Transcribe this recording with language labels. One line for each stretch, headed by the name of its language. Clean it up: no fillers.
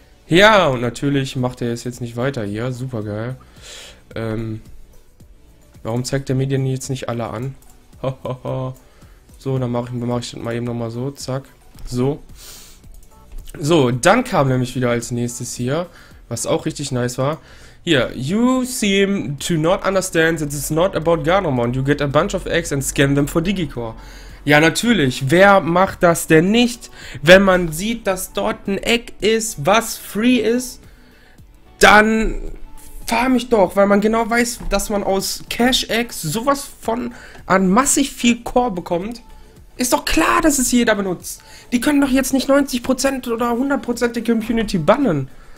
German: Ja, und natürlich macht er es jetzt nicht weiter hier. Super geil. Warum zeigt er mir denn jetzt nicht alle an? So, dann mach ich das mal eben nochmal so. Zack. So. So, dann kam nämlich wieder als nächstes hier, was auch richtig nice war.
English: Hier, you seem to not understand that it's not about Garnomon. You get a bunch of eggs and scan them for Digicore.
German: Ja, natürlich. Wer macht das denn nicht? Wenn man sieht, dass dort ein Egg ist, was free ist, dann farm ich doch, weil man genau weiß, dass man aus Cash-Eggs sowas von an massiv viel Core bekommt. Ist doch klar, dass es jeder benutzt. Die können doch jetzt nicht 90% oder 100% der Community bannen.